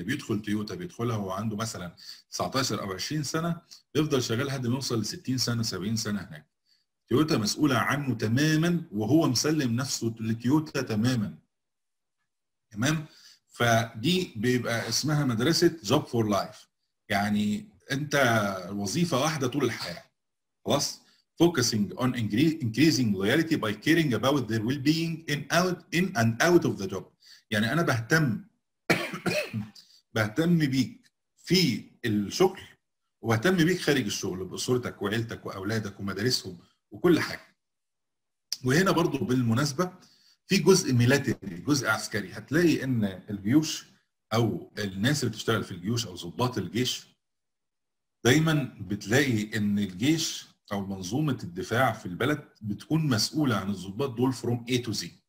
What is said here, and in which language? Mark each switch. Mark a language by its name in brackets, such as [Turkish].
[Arabic] اللي بيدخل تويوتا بيدخلها وعنده مثلا 19 أو 20 سنة بيفضل شغال لحد ما يوصل ل 60 سنة 70 سنة هناك. تويوتا مسؤولة عنه تماما وهو مسلم نفسه لتويوتا تماما، تمام؟ فدي بيبقى اسمها مدرسة [English] job for life. [Arabic] يعني انت وظيفة واحدة طول الحياة. [English] Plus, focusing on increasing loyalty by caring about their well-being in and out of the job. [Arabic] يعني أنا بهتم بيك في الشغل واهتم بيك خارج الشغل باسرتك وعيلتك واولادك ومدارسهم وكل حاجه. وهنا برضو بالمناسبه في جزء ميلاتري، جزء عسكري، هتلاقي ان الجيوش او الناس اللي بتشتغل في الجيوش او ضباط الجيش دايما بتلاقي ان الجيش او منظومه الدفاع في البلد بتكون مسؤوله عن الضباط دول فروم [English] A to Z.